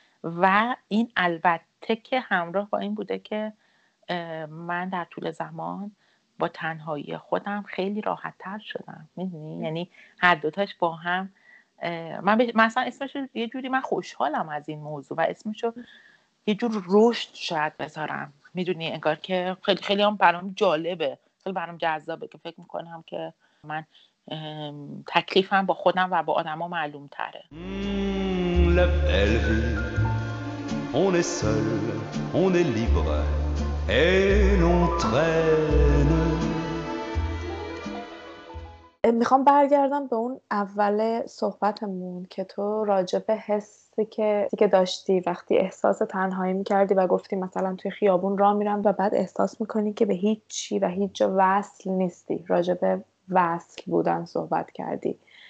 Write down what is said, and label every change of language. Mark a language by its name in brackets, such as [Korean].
[Persian] و این البته که همراه با این بوده که من در طول زمان با تنهایی خودم خیلی راحت تر شدم، میدونی؟ یعنی هر دوتاش با هم، مثلا اسمشو یه جوری، من خوشحالم از این موضوع و اسمشو یه جور رشد شاید بذارم، میدونی؟ انگار که خیلی خیلی هم برام جالبه، خیلی برام جذابه که فکر میکنم که من تکلیفم با خودم و با آدم ها معلوم تره. [French] La belle vie, on est seul, on est libre et on traîne. [Persian] میخوام برگردم به اون اول صحبتمون که تو راجع به حسی که داشتی وقتی احساس تنهایی میکردی و گفتی مثلا توی خیابون راه میرم و بعد احساس میکنی که به هیچی و هیچ جا وصل نیستی، راجع به وصل بودن صحبت کردی.